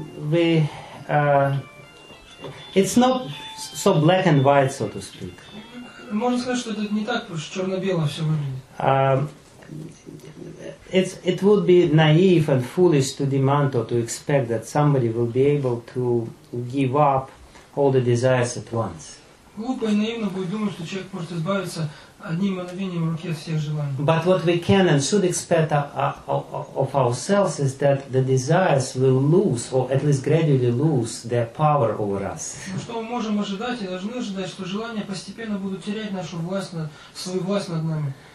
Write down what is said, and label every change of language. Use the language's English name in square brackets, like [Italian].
[English] we it's not so black and white, so to speak. [Russian] Можно сказать, что это не так уж черно-бело все выглядит. [English] It would be naive and foolish to demand or to expect that somebody will be able to give up all the desires at once. [Russian] Глупо и наивно будет думать, что человек может избавиться одним мгновением в руке от всех желаний. [English] But what we can and should expect of ourselves is that the desires will lose, or at least gradually lose, their power over us. [Russian] Что мы можем ожидать и должны ожидать, что желания постепенно будут терять нашу власть над свою власть над нами.